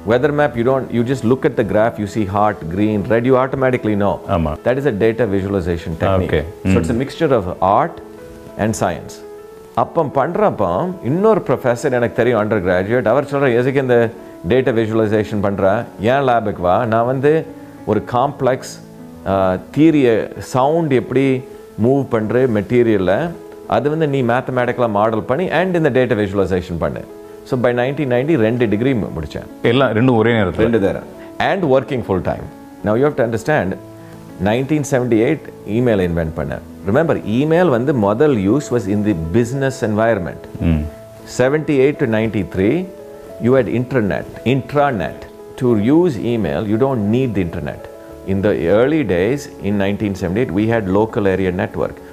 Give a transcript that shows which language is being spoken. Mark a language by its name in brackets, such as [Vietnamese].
[English] weather map, you just look at the graph, you see hot, green, red, you automatically know. [Tamil] Ama [English] that is a data visualization technique. Okay. So it's a mixture of art and science. [Tamil] அப்போ பண்ணுறப்போ இன்னொரு professor, எனக்கு தெரியும் under graduate, அவர் சொல்கிற எதுக்கு இந்த data visualisation பண்ணுறேன், ஏன் லேபுக்கு வா, நான் வந்து ஒரு காம்ப்ளெக்ஸ் தீரியை சவுண்ட் எப்படி மூவ் பண்ணுற மெட்டீரியலில் அது வந்து நீ மேத்தமேட்டிக்கலாக மாடல் பண்ணி அண்ட் இந்த டேட்டா விஜுவலைசேஷன் பண்ணு. ஸோ பை 1990 ரெண்டு டிகிரி முடித்தேன். எல்லாம் ரெண்டும் ஒரே நேரத்தில் ரெண்டு theorem [English] And working full time. Now you have to understand, 1978 email invent பண்ணேன். Remember, email when the model use was in the business environment. 78 to 93 you had intranet. To use email you don't need the internet. In the early days in 1978 we had local area network.